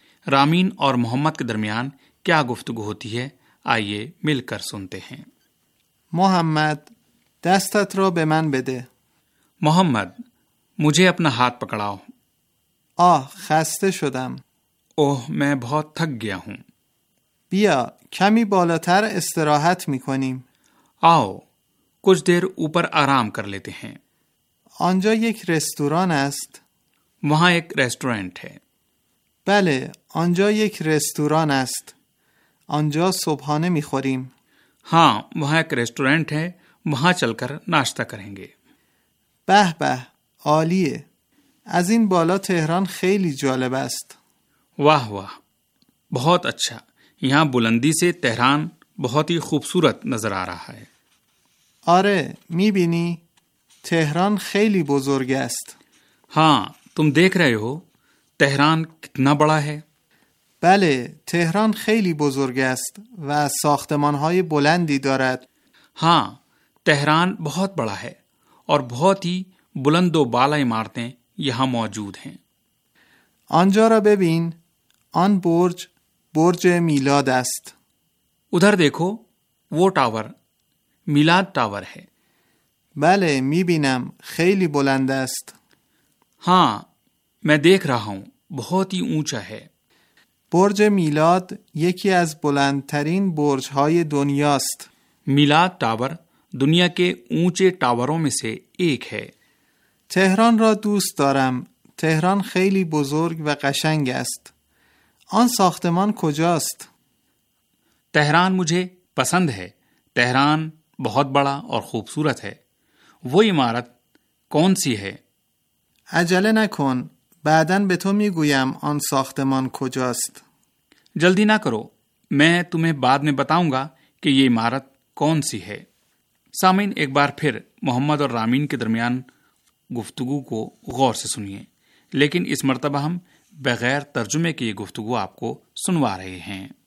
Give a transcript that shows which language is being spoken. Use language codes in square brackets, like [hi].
[ur] Ramen اور محمد کے درمیان کیا گفتگو ہوتی ہے آئیے مل کر سنتے ہیں. [fa] محمد دستت رو به من بده. [ur] محمد مجھے اپنا ہاتھ پکڑاؤ. [fa] آه خسته شدم. [ur] اوہ میں بہت تھک گیا ہوں. [fa] بیا کمی بالاتر استراحت میکنیم. [ur] آؤ کچھ دیر اوپر آرام کر لیتے ہیں. [fa] آنجا یک رستوران است. [ur] وہاں ایک ریسٹورینٹ ہے. [fa] بله آنجا یک رستوران است. آنجا صبحانه میخوریم. [ur] ہاں وہاں ایک ریسٹورینٹ ہے وہاں چل کر ناشتہ کریں گے. [fa] بہ بہ عالیه از این بالا تهران خیلی جالب است. [ur] واہ واہ بہت اچھا یہاں بلندی سے تهران بہت ہی خوبصورت نظر آ رہا ہے. [fa] آره میبینی تهران خیلی بزرگ است. [ur] ہاں تم دیکھ رہے ہو تهران کتنا بڑا ہے. [fa] بله تهران خیلی بزرگ است و ساختمان‌های بلندی دارد. [ur] ہاں تهران بہت بڑا ہے اور بہت ہی بلند و بالا عمارتیں یہاں موجود ہیں. [fa] آنجا را ببین آن برج برج میلاد است. [ur] ادھر دیکھو وہ ٹاور میلاد ٹاور ہے. [fa] بله میبینم خیلی بلند است. [ur] ہاں میں دیکھ رہا ہوں بہت ہی اونچا ہے. [fa] برج میلاد یکی از بلندترین برج‌های دنیاست. [ur] میلاد ٹاور دنیا کے اونچے ٹاوروں میں سے ایک ہے. [fa] تهران را دوست دارم. تهران خیلی بزرگ و قشنگ است. آن ساختمان کجاست؟ [ur] تهران مجھے پسند ہے. تهران بہت بڑا اور خوبصورت ہے. وہ عمارت کون سی ہے؟ [fa] عجله نکن. بعدن به تو میگویم آن ساختمان کجاست. [ur] جلدی نہ کرو میں تمہیں بعد میں بتاؤں گا کہ یہ عمارت کون سی ہے. سامعین ایک بار پھر محمد اور رامین کے درمیان گفتگو کو غور سے سنیے لیکن اس مرتبہ ہم بغیر ترجمے کے یہ گفتگو آپ کو سنوا رہے ہیں.